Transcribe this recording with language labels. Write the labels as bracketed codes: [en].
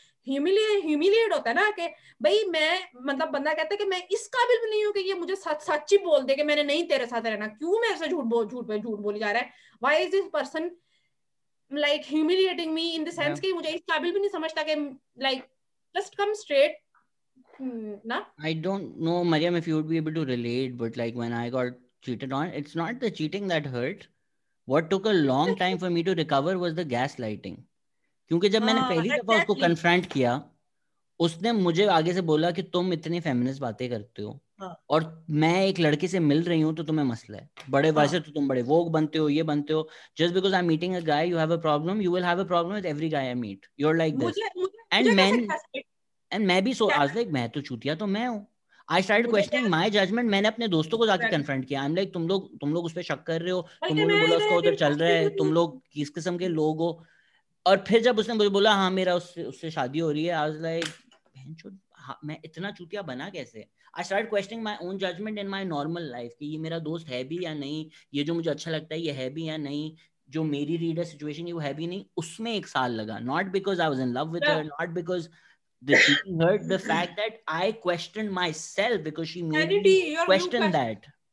[hi] Humiliate होता है ना कि भाई मैं मतलब बंदा कहता है कि मैं इस काबिल नहीं हूँ कि ये मुझे सच ही बोल दे कि मैंने नहीं तेरे साथ रहना क्यों मेरे से झूठ बोली जा रहा है [en] why is this person like humiliating me in the sense [hi] कि मुझे इस काबिल भी नहीं समझता कि like just come straight [en] I don't know, Mariam, if you would be able to relate, but like when I got cheated on, it's not the cheating that hurt. What took a long time for me to recover was the gaslighting. Because when I first confronted him, he told me that you are talking so feminist. And I'm meeting a girl, so you're a problem. You're big, you're big, you're big, you're big, you're big. Just because I'm meeting a guy, you have a problem. You will have a problem with every guy I meet. You're like this. And men... [hi] And मैं भी [en] so I was like [hi] मैं तो चूतिया तो मैं हूँ [en] I started questioning my judgment [hi] मैंने अपने दोस्तों को जाके confront किया [en] I'm like [hi] तुम लोग उसपे शक कर रहे हो तुम लोग बोला उसको उधर चल रहा है तुम लोग किस किस्म के लोग हो और फिर जब उसने मुझे बोला हाँ मेरा उससे शादी हो रही है [en] I was like [hi] मैं इतना चूतिया बना कैसे [en] I started questioning my own judgment in my normal life [hi] कि ये मेरा दोस्त है भी या नहीं ये जो मुझे अच्छा लगता है ये है भी या नहीं जो मेरी रीडर सिचुएशन है वो है भी नहीं उसमें एक साल लगा [en] Not because I was in love with her not because The cheating hurt the fact that I questioned myself because she made me question that.